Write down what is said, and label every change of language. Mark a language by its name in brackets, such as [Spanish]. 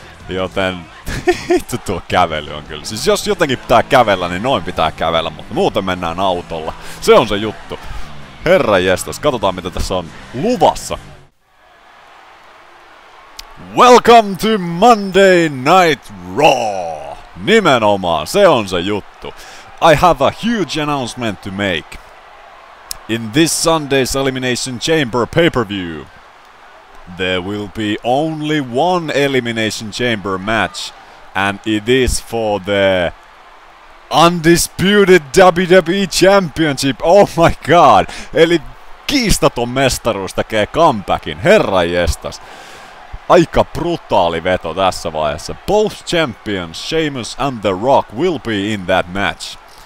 [Finnish] Joten itse tuo kävely on kyllä. Siis jos jotenkin pitää kävellä, niin noin pitää kävellä, mutta muuten mennään autolla. Se on se juttu. Herranjestas, katsotaan mitä tässä on luvassa. [English] Welcome to Monday Night Raw! [Finnish] Nimenomaan, se on se juttu. [English] I have a huge announcement to make. In this Sunday's Elimination Chamber pay-per-view, there will be only one Elimination Chamber match, and it is for the Undisputed WWE Championship. Oh my god! [Finnish] Eli kiistaton mestaruus tekee comebackin, herranjestas. Aika brutaali veto tässä vaiheessa. [English] Both champions, Sheamus and The Rock, will be in that match.